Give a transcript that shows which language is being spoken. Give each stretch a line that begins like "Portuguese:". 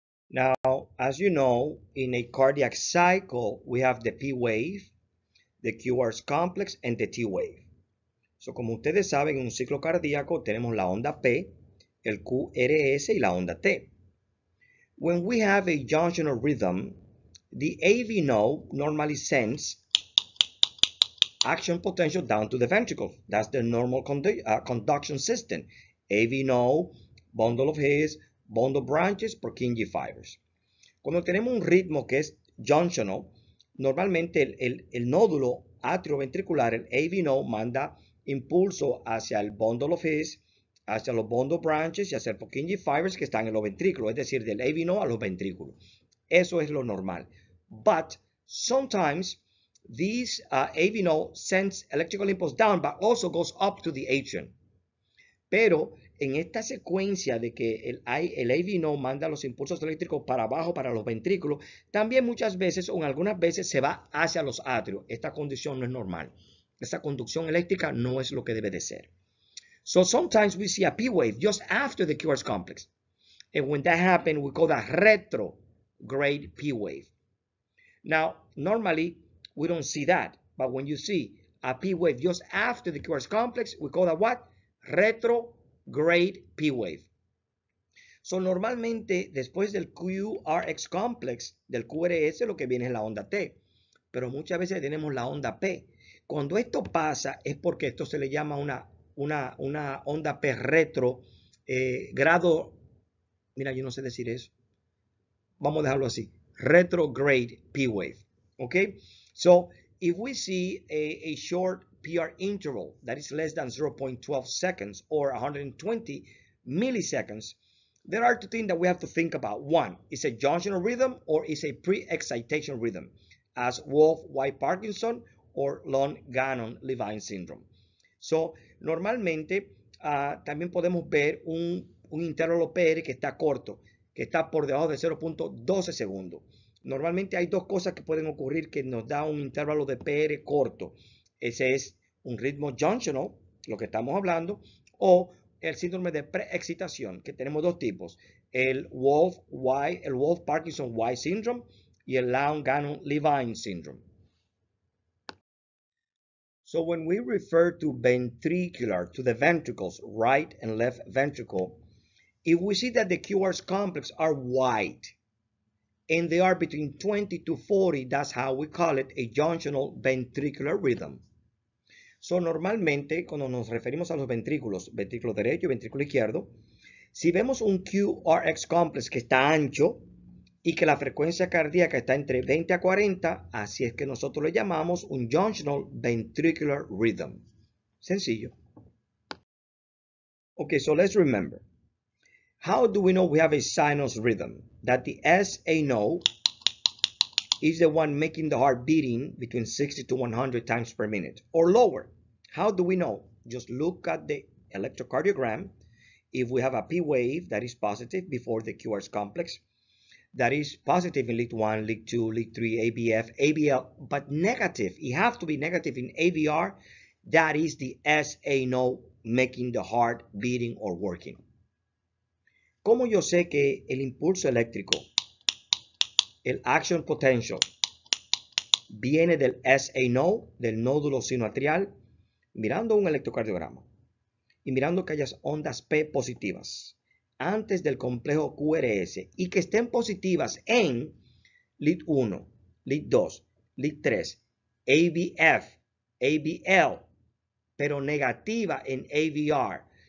English: Now, as you know, in a cardiac cycle, we have the P wave, the QRS complex, and the T wave.
Spanish: So, como ustedes saben, en un ciclo cardíaco tenemos la onda P, el QRS y la onda T.
English: When we have a junctional rhythm, the AV node normally sends action potential down to the ventricle. That's the normal conduction system. AV node, bundle of His, bundle branches, Purkinje fibers.
Spanish: Cuando tenemos un ritmo que es junctional, normalmente el nódulo atrioventricular, el AV node, manda impulso hacia el bundle of His, hacia los bundle branches y hacia el Purkinje fibers que están en los ventrículos, es decir, del AV node a los ventrículos. Eso es lo normal.
English: But sometimes these AV node sends electrical impulse down, but also goes up to the atrium.
Spanish: Pero en esta secuencia de que el AV node manda los impulsos eléctricos para abajo, para los ventrículos, también muchas veces o en algunas veces se va hacia los atrios. Esta condición no es normal. Esta conducción eléctrica no es lo que debe de ser.
English: So sometimes we see a P wave just after the QRS complex. And when that happens, we call that retrograde P wave. Now, normally, we don't see that, but when you see a P wave just after the QRS complex, we call that what? Retrograde P wave.
Spanish: So, normalmente, después del QRS complex, del QRS, lo que viene es la onda T, pero muchas veces tenemos la onda P. Cuando esto pasa, es porque esto se le llama una onda P retro, grado, mira, yo no sé decir eso, vamos a dejarlo así.
English: Retrograde P wave. Okay, so if we see a short PR interval that is less than 0.12 seconds or 120 milliseconds, there are two things that we have to think about. One, is a junctional rhythm or is a pre-excitation rhythm, as Wolf White Parkinson or Long Gannon Levine syndrome.
Spanish: So normalmente también podemos ver un intervalo PR que está corto, que está por debajo de 0.12 segundos. Normalmente hay dos cosas que pueden ocurrir que nos da un intervalo de PR corto. Ese es un ritmo junctional, lo que estamos hablando, o el síndrome de preexcitación, que tenemos dos tipos, el Wolf-Parkinson-White syndrome y el Long-Gannon-Levine syndrome.
English: So when we refer to ventricular, to the ventricles, right and left ventricle, if we see that the QRS complex are wide and they are between 20 to 40, that's how we call it, a junctional ventricular rhythm.
Spanish: So normalmente, cuando nos referimos a los ventrículos, ventrículo derecho y ventrículo izquierdo, si vemos un QRS complex que está ancho y que la frecuencia cardíaca está entre 20 a 40, así es que nosotros le llamamos un junctional ventricular rhythm. Sencillo.
English: Okay, so let's remember. How do we know we have a sinus rhythm? That the SA node is the one making the heart beating between 60 to 100 times per minute or lower. How do we know? Just look at the electrocardiogram, if we have a P wave that is positive before the QRS complex, that is positive in lead 1, lead 2, lead 3, ABF, ABL, but negative, it has to be negative in AVR, that is the SA node making the heart beating or working.
Spanish: ¿Cómo yo sé que el impulso eléctrico, el action potential, viene del SA node, del nódulo sinoatrial, mirando un electrocardiograma y mirando que hayas ondas P positivas antes del complejo QRS y que estén positivas en lead 1, lead 2, lead 3, ABF, ABL, pero negativa en AVR?